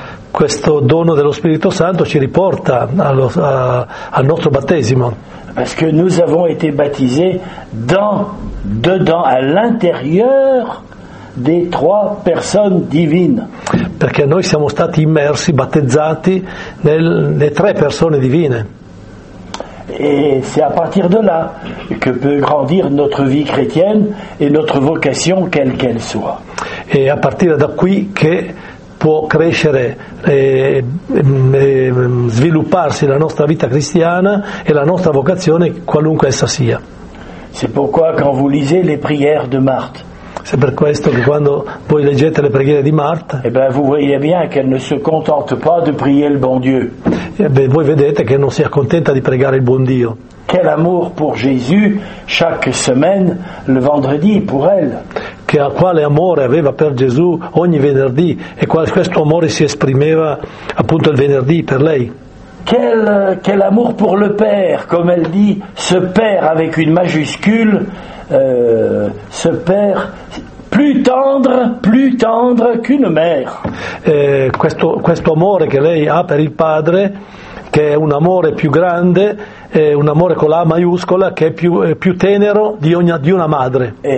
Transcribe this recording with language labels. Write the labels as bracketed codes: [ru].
[it] Questo dono dello Spirito Santo ci riporta al nostro battesimo. [fr] Parce que nous avons été baptisés dedans, à l'intérieur des trois personnes divines. [it] Perché noi siamo stati immersi, battezzati nelle tre persone divine. [fr] Et c'est à partir de là que peut grandir notre vie chrétienne et notre vocation, quelle qu'elle soit. [it] Et à partir da qui che può crescere e svilupparsi la nostra vita cristiana e la nostra vocazione, qualunque essa sia. [fr] C'est pourquoi quand vous lisez les prières de Marthe. [it] C'est per questo che quando voi leggete le preghiere di Marta, [fr] eh ben vous voyez bien qu'elle ne se contente pas de prier le bon Dieu. [it] E beh, voi vedete che non si accontenta di pregare il buon Dio. [fr] Quel amour pour Jésus chaque semaine le vendredi pour elle. [it] Che a quale amore aveva per Gesù ogni venerdì e questo amore si esprimeva appunto il venerdì per lei. [fr] Quel amour pour le Père, comme elle dit, ce Père avec une majuscule, ce Père plus tendre qu'une mère. [it] Questo amore che lei ha per il Padre, che è un amore più grande, è un amore con la A maiuscola, che è più tenero di una madre.